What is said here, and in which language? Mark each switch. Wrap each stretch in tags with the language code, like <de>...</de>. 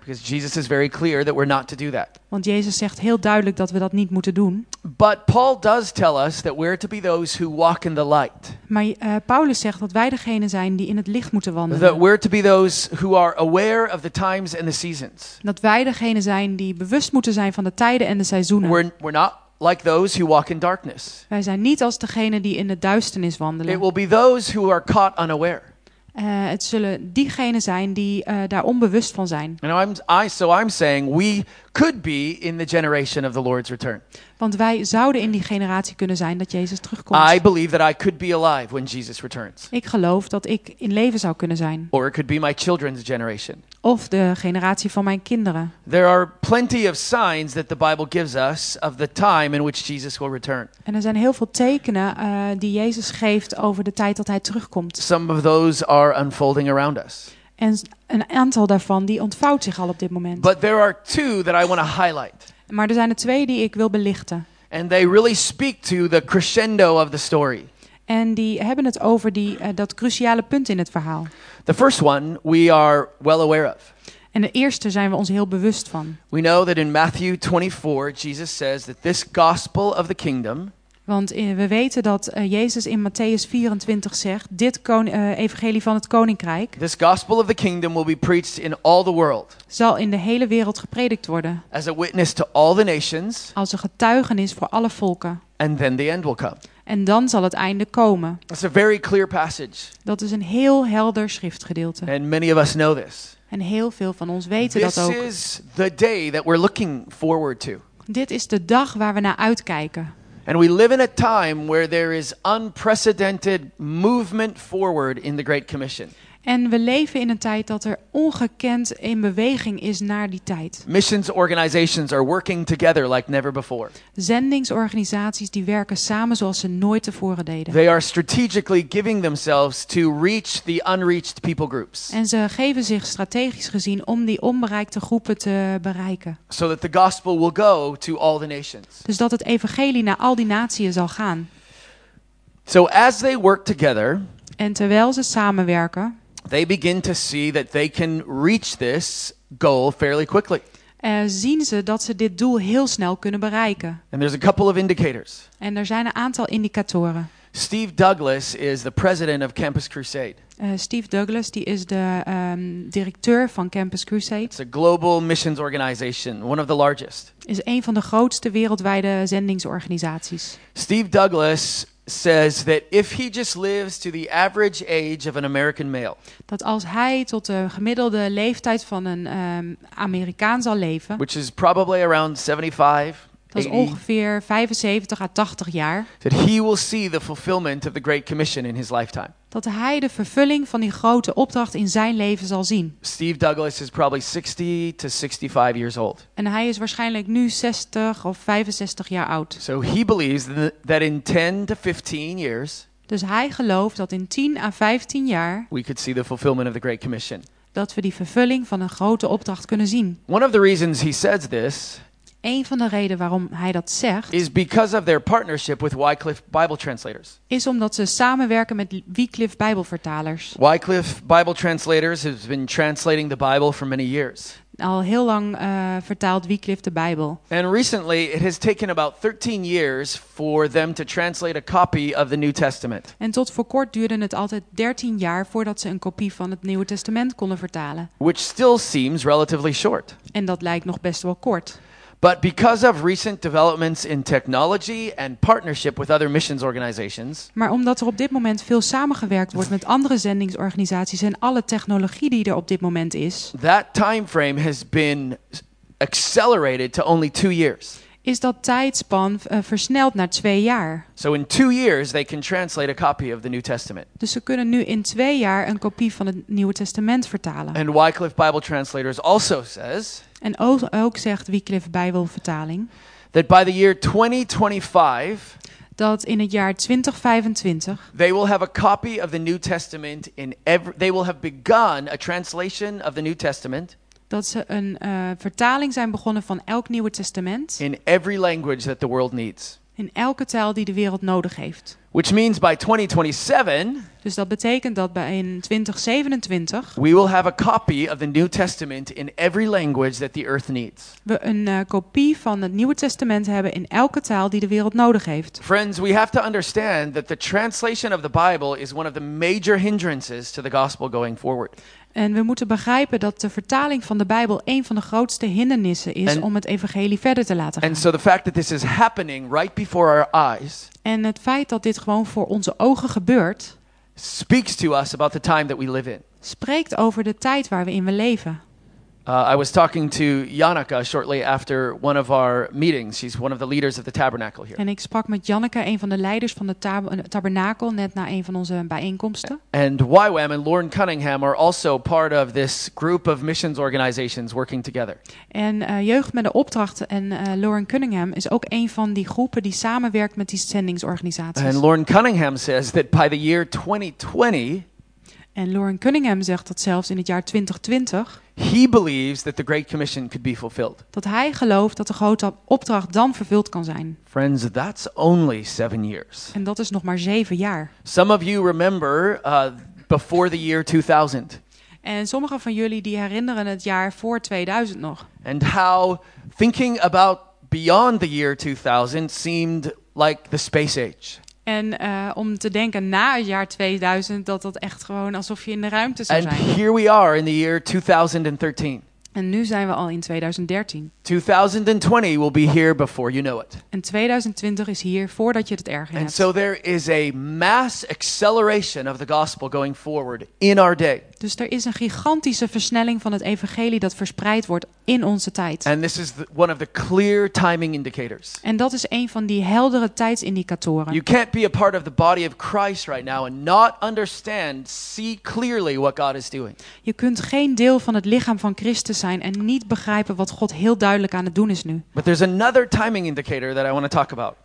<en>Because Jesus is very clear that we're not to do that.</en> <nl>Want Jezus zegt heel duidelijk dat we dat niet moeten doen.</nl> <en>But Paul does tell us that we're to be those who walk in the light.</en> <nl>Maar Paulus zegt dat wij degene zijn die in het licht moeten wandelen.</nl> <en>That we're to be those who are aware of the times and the seasons.</en> <nl>Dat wij degene zijn die bewust moeten zijn van de tijden en de seizoenen.</nl> <en>We're not like those who walk in darkness.</en> <nl>Wij zijn niet als degene die in de duisternis wandelen.</nl> <en>It will be those who are caught unaware.</en> <nl>Het zullen diegenen zijn die daar onbewust van zijn.</nl> <en>I'm saying we could be in the generation of the Lord's return.</en> <nl>Want wij zouden in die generatie kunnen zijn dat Jezus terugkomt.</nl> <en>I believe that I could be alive when Jesus returns.</en> <nl>Ik geloof dat ik in leven zou kunnen zijn.</nl> <en>Or it could be my children's generation.</en> <nl>Of de generatie van mijn kinderen.</nl> <en>There are plenty of signs that the Bible gives us of the time in which Jesus will return.</en> <nl>En er zijn heel veel tekenen die Jezus geeft over de tijd dat hij terugkomt.</nl> <en>Some of those are unfolding around us.</en> <nl>En een aantal daarvan die ontvouwt zich al op dit moment.</nl> <en>But there are two that I want to highlight.</en> <nl>Maar er zijn er twee die ik wil belichten.</nl> <en>And they really speak to the crescendo of the story.</en> <nl>En die hebben het over die dat cruciale punt in het verhaal.</nl> <en>The first one we are well aware of.</en> <nl>En de eerste zijn we ons heel bewust van.</nl> <en>We know that in Matthew 24 Jesus says that this gospel of the kingdom.</en> <nl>Want we weten dat Jezus in Matthäus 24 zegt: dit evangelie van het koninkrijk.</nl> <en>This gospel of the kingdom will be preached in all the world.</en> <nl>Zal in de hele wereld gepredikt worden.</nl> <en>As a witness to all the nations.</en> <nl>Als een getuigenis voor alle volken.</nl> <en>And then the end will come.</en> <nl>En dan zal het einde komen.</nl> <en>That's a very clear passage.</en> <nl>Dat is een heel helder schriftgedeelte.</nl> <en>And many of us know this.</en> <nl>En heel veel van ons weten</nl> <en>this</en> <nl>dat ook.</nl> <en>This is the day that we're looking forward to.</en> <nl>Dit is de dag waar we naar uitkijken.</nl> <en>And we live in a time where there is unprecedented movement forward in the Great Commission.</en> <nl>En we leven in een tijd dat er ongekend in beweging is naar die tijd.</nl> <en>Missions organizations are working together like never before.</en> <nl>Zendingsorganisaties die werken samen zoals ze nooit tevoren deden.</nl> <en>They are strategically giving themselves to reach the unreached people groups.</en> <nl>En ze geven zich strategisch gezien om die onbereikte groepen te bereiken.</nl> <en>So that the gospel will go to all the nations.</en> <nl>Dus dat het evangelie naar al die naties zal gaan.</nl> <en>So as they work together.</en> <nl>En terwijl ze samenwerken.</nl> <en>They begin to see that they can reach this goal fairly quickly.</en> <nl>Zien ze dat ze dit doel heel snel kunnen bereiken.</nl> <en>And there's a couple of indicators.</en> <nl>En er zijn een aantal indicatoren.</nl> <en>Steve Douglas is the president of Campus Crusade.</en> <nl>Steve Douglas die is de directeur van Campus Crusade.</nl> <en>It's a global missions organization, one of the largest.</en> <nl>Is een van de grootste wereldwijde zendingsorganisaties.</nl> <en>Steve Douglas says that if he just lives to the average age of an American male.</en> <nl>Dat als hij tot de gemiddelde leeftijd van een Amerikaan zal leven.</nl> <en>Which is probably around 75.</en> <nl>Dat is ongeveer 75 à 80 jaar.</nl> <en>That he will see the fulfillment of the Great Commission in his lifetime.</en> <nl>Dat hij de vervulling van die grote opdracht in zijn leven zal zien.</nl> <en>Steve Douglas is probably 60 to 65 years old.</en> <nl>En hij is waarschijnlijk nu 60 of 65 jaar oud.</nl> <en>So he believes that in 10 to 15 years.</en> <nl>Dus hij gelooft dat in 10 à 15 jaar.</nl> <en>We could see the fulfillment of the Great Commission.</en> <nl>Dat we die vervulling van een grote opdracht kunnen zien.</nl> <en>One of the reasons he says this.</en> <nl>Een van de redenen waarom hij dat zegt</nl> <en>is because of their partnership with Wycliffe Bible Translators.</en> <nl>Is omdat ze samenwerken met Wycliffe Bijbelvertalers.</nl> <en>Wycliffe Bible Translators has been translating the Bible for many years.</en> <nl>Al heel lang vertaalt Wycliffe de Bijbel.</nl> <en>And recently it has taken about 13 years for them to translate a copy of the New Testament.</en> <nl>En tot voor kort duurde het altijd 13 jaar voordat ze een kopie van het Nieuwe Testament konden vertalen.</nl> <en>Which still seems relatively short.</en> <nl>En dat lijkt nog best wel kort.</nl> <en>But because of recent developments in technology and partnership with other missions organizations.</en> <nl>Maar omdat er op dit moment veel samengewerkt wordt met andere zendingsorganisaties en alle technologie die er op dit moment is.</nl> <en>That time frame has been accelerated to only 2 years.</en> <nl>Is dat tijdspan versneld naar 2 jaar.</nl> <en>So in 2 years they can translate a copy of the New Testament.</en> <nl>Dus ze kunnen nu in 2 jaar een kopie van het Nieuwe Testament vertalen.</nl> <en>And Wycliffe Bible Translators also says.</en> <nl>En ook zegt Wycliffe Bijbelvertaling.</nl> <en>That by the year 2025.</en> <nl>Dat in het jaar 2025.</nl> <en>They will have a copy of the New Testament in every. They will have begun a translation of the New Testament.</en> <nl>Dat ze een vertaling zijn begonnen van elk Nieuwe Testament.</nl> <en>In every language that the world needs.</en> <nl>In elke taal die de wereld nodig heeft.</nl> <en>Which means by 2027.</en> <nl>Dus dat betekent dat bij in 2027.</nl> <en>We will have a copy of the New Testament in every language that the earth needs.</en> <nl>We een kopie van het Nieuwe Testament hebben in elke taal die de wereld nodig heeft.</nl> <en>Friends, we have to understand that the translation of the Bible is one of the major hindrances to the gospel going forward.</en> <nl>En we moeten begrijpen dat de vertaling van de Bijbel een van de grootste hindernissen is om het evangelie verder te laten gaan.</nl> <en>And so the fact that this is happening right before our eyes.</en> <nl>En het feit dat dit gewoon voor onze ogen gebeurt.</nl> <en>Speaks to us about the time that we live in.</en> <nl>Spreekt over de tijd waar we in we leven.</nl> <en>I was talking to Janneke shortly after one of our meetings. She's one of the leaders of the tabernacle here.</en> <nl>En ik sprak met Janneke, een van de leiders van de tabernakel, net na een van onze bijeenkomsten.</nl> <en>And YWAM and Lauren Cunningham are also part of this group of missions organizations working together.</en> <nl>En Jeugd met de Opdracht en Lauren Cunningham is ook een van die groepen die samenwerkt met die zendingsorganisaties.</nl> <en>And Lauren Cunningham says that by the year 2020.</en> <nl>En Lauren Cunningham zegt dat zelfs in het jaar 2020.</nl> <en>He believes that the Great Commission could be fulfilled.</en> <nl>Dat hij gelooft dat de grote opdracht dan vervuld kan zijn.</nl> <en>Friends, that's only 7 years.</en> <nl>En dat is nog maar 7 jaar.</nl> <en>Some of you remember before the year 2000.</en> <nl>En sommige van jullie die herinneren het jaar voor 2000 nog.</nl> <en>And how thinking about beyond the year 2000 seemed like the space age.</en> <nl>En om te denken na het jaar 2000, dat dat echt gewoon alsof je in de ruimte zou zijn.</nl> <en>And here we are in the year 2013.</en> <nl>En nu zijn we al in 2013.</nl> <en>2020 will be here before you know it.</en> <nl>En 2020 is hier voordat je het erg hebt.</nl> <en>And so there is a mass acceleration of the gospel going forward in our day.</en> <nl>Dus er is een gigantische versnelling van het evangelie dat verspreid wordt in onze tijd.</nl> <en>And this is one of the clear timing indicators.</en> <nl>En dat is een van die heldere tijdsindicatoren.</nl> <en>You can't be a part of the body of Christ right now and not understand, see clearly what God is doing.</en> <nl>Je kunt geen deel van het lichaam van Christus zijn en niet begrijpen wat God heel duidelijk aan het doen is nu.</nl> <en>But there's another timing indicator that I want to talk about.</en>